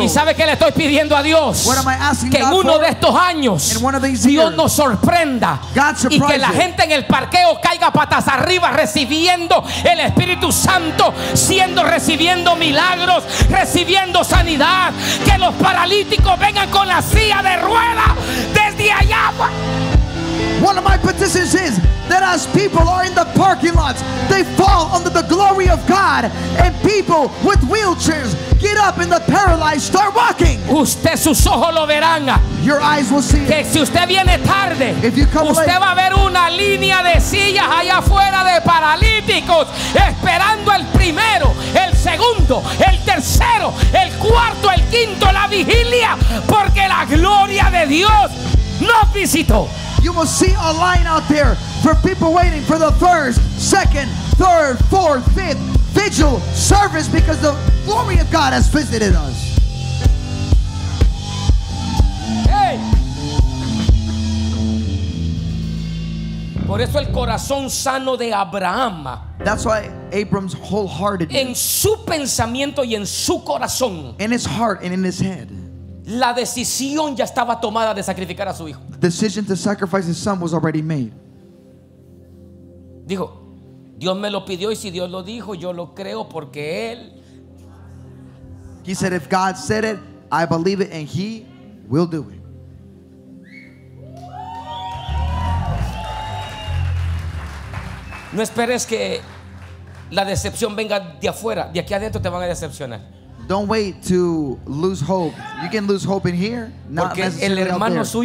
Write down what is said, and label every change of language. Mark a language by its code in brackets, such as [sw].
[es] Y sabe que le estoy pidiendo a Dios que en uno de estos años Dios nos sorprenda y que la gente en el parqueo caiga patas arriba recibiendo el Espíritu Santo, siendo recibiendo milagros, recibiendo sanidad, que los paralíticos vengan con la silla de ruedas desde allá. [en] One of my petitions is that as people are in the parking lots, they fall under the glory of God, and people with wheelchairs get up and the paralyzed start walking. [es] Usted, sus ojos lo verán. [en] Your eyes will see it. [es] Que si usted viene tarde, [en] if you come [es] usted [en] late, [es] va a ver una línea de sillas allá afuera de paralíticos esperando el primero, el segundo, el tercero, el cuarto, el quinto, la vigilia, porque la gloria de Dios nos visitó. [en] You will see a line out there for people waiting for the first, second, third, fourth, fifth vigil service, because the glory of God has visited us. Hey. [es] Por eso el corazón sano de Abraham. [en] That's why Abram's wholehearted. [es] En su pensamiento y en su corazón. [en] In his heart and in his head. [es] La decisión ya estaba tomada de sacrificar a su hijo. [en] The decision to sacrifice his son was already made. [es] Dijo, Dios me lo pidió y si Dios lo dijo, yo lo creo porque él. [en] He said, if God said it, I believe it, and he will do it. [es] No esperes que la decepción venga de afuera. De aquí adentro te van a decepcionar. [en] Don't wait to lose hope. You can lose hope in here, not necessarily out there.